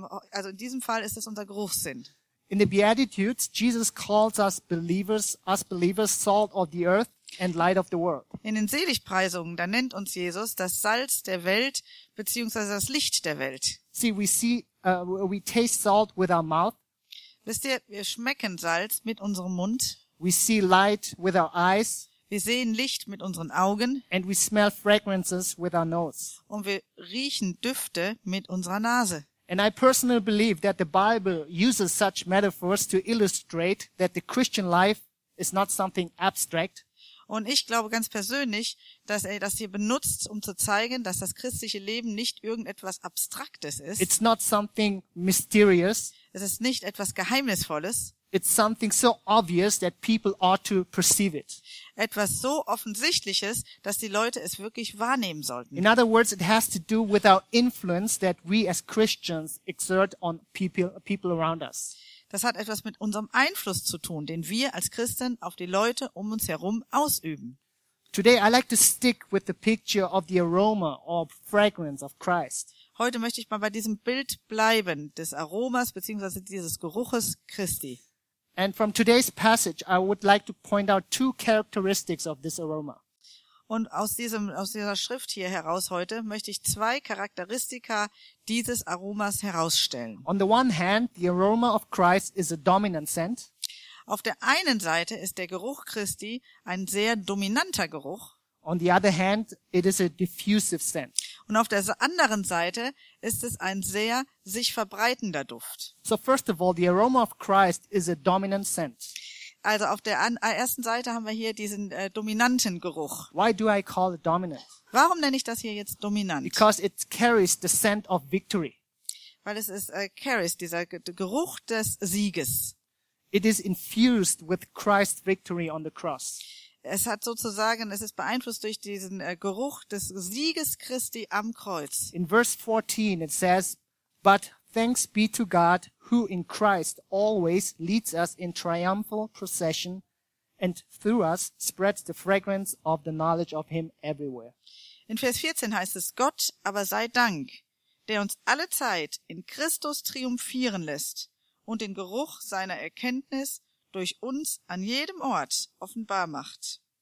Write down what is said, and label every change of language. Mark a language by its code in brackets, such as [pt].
[de] Also in diesem Fall ist es unser Geruchssinn. [en] In the Beatitudes Jesus calls us believers salt of the earth and light of the world. [de] In den Seligpreisungen da nennt uns Jesus das Salz der Welt bzw. das Licht der Welt. [en] We taste salt with our mouth. [de] Wisst ihr, wir schmecken Salz mit unserem Mund. [en] We see light with our eyes. [de] Wir sehen Licht mit unseren Augen. [en] And we smell fragrances with our nose. [de] Und wir riechen Düfte mit unserer Nase. [en] And I personally believe that the Bible uses such metaphors to illustrate that the Christian life is not something abstract. [de] Und ich glaube ganz persönlich, dass er das hier benutzt, um zu zeigen, dass das christliche Leben nicht irgendetwas Abstraktes ist. [en] It's not something mysterious. [de] Es ist nicht etwas Geheimnisvolles. [en] It's something so obvious that people ought to perceive it. [de] Etwas so Offensichtliches, dass die Leute es wirklich wahrnehmen sollten. [en] In other words, it has to do with our influence that we as Christians exert on people around us. [de] Das hat etwas mit unserem Einfluss zu tun, den wir als Christen auf die Leute um uns herum ausüben. [en] Today I like to stick with the picture of the aroma or fragrance of Christ. [de] Heute möchte ich mal bei diesem Bild bleiben, des Aromas bzw. dieses Geruches Christi. [en] And from today's passage I would like to point out two characteristics of this aroma. [de] Und aus dieser Schrift hier heraus heute möchte ich zwei Charakteristika dieses Aromas herausstellen. [en] On the one hand, the aroma of Christ is a dominant scent. [de] Auf der einen Seite ist der Geruch Christi ein sehr dominanter Geruch. [en] On the other hand, it is a diffusive scent. [de] Und auf der anderen Seite ist es ein sehr sich verbreitender Duft. [en] So first of all, the aroma of Christ is a dominant scent. [de] Also auf der ersten Seite haben wir hier diesen dominanten Geruch. [en] Why do I call it dominant? [de] Warum nenne ich das hier jetzt dominant? [en] Because it carries the scent of victory. [de] Weil es ist [en] carries [de] dieser Geruch des Sieges. [en] It is infused with Christ's victory on the cross. [de] Es hat sozusagen, es ist beeinflusst durch diesen Geruch des Sieges Christi am Kreuz. [en] In verse 14 it says, but thanks be to God, who in Christ always leads us in triumphal procession and through us spreads the fragrance of the knowledge of him everywhere. [de] In Vers 14 heißt es, Gott aber sei Dank, der uns alle Zeit in Christus triumphieren lässt und den Geruch seiner Erkenntnis durch uns an jedem Ort offenbar macht.